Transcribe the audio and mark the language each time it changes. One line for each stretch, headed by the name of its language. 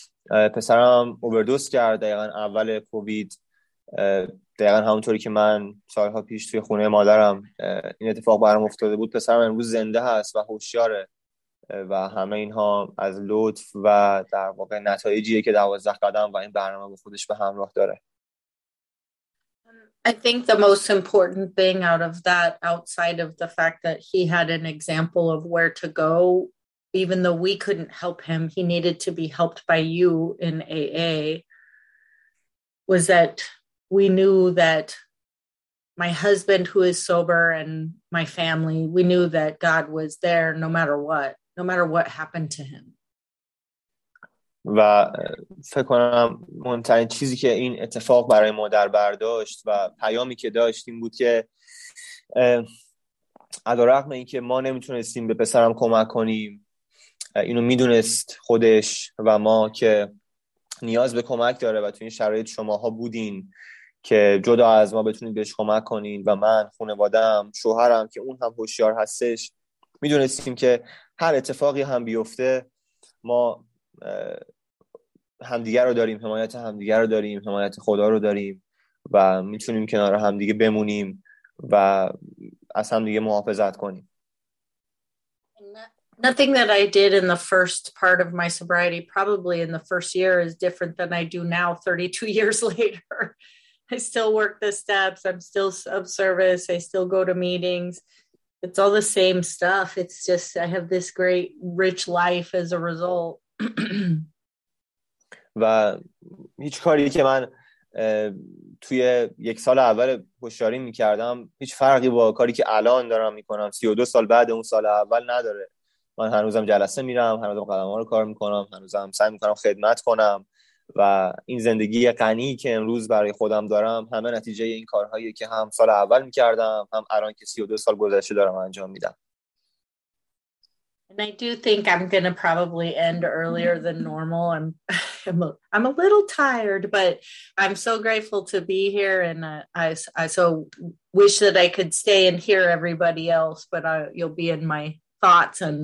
Persian: پسرم اووردوز کرد دقیقا اول کووید، دقیقا همونطوری که من سالها پیش توی خونه مادرم این اتفاق برام افتاده بود. پسرم امروز زنده هست و هوشیاره و همه اینها از لطف و در واقع نتایجیه که 12 قدم و این برنامه به خودش به همراه داره.
English: I think the most important thing out of that, outside of the fact that he had an example of where to go, even though we couldn't help him, he needed to be helped by you in AA, was that we knew that my husband, who is sober, and my family, we knew that God was there no matter what, no matter what happened to him.
Persian: و فکر کنم مهمترین چیزی که این اتفاق برای مادر برداشت و پیامی که داشت این بود که علی‌رغم اینکه ما نمیتونستیم به پسرم کمک کنیم، اینو میدونست خودش و ما که نیاز به کمک داره و تو این شرایط شماها بودین که جدا از ما بتونید بهش کمک کنین و من، خانواده‌ام، شوهرم که اون هم هوشیار هستش، میدونستیم که هر اتفاقی هم بیفته ما همدیگر رو داریم، حمایت همدیگر رو داریم، حمایت خدا رو داریم و میتونیم کنار همدیگه بمونیم و از همدیگه محافظت کنیم.
English: Nothing that I did in the first part of my sobriety, probably in the first year, is different than I do now 32 years later. I still work the steps, I'm still of service, I still go to meetings. It's all the same stuff. It's just I have this great rich life as a result.
Persian: و هیچ کاری که من توی یک سال اول هوشیاری میکردم هیچ فرقی با کاری که الان دارم میکنم 32 سال بعد اون سال اول نداره. من هنوزم جلسه میرم، هنوزم قلم ها رو کار میکنم، هنوزم سعی میکنم خدمت کنم و این زندگی غنی که امروز برای خودم دارم همه نتیجه این کارهایی که هم سال اول میکردم هم الان که 32 سال گذشته دارم انجام میدم.
English: And I do think I'm going to probably end earlier than normal. I'm a little tired, but I'm so grateful to be here. And I so wish that I could stay and hear everybody else, but you'll be in my thoughts.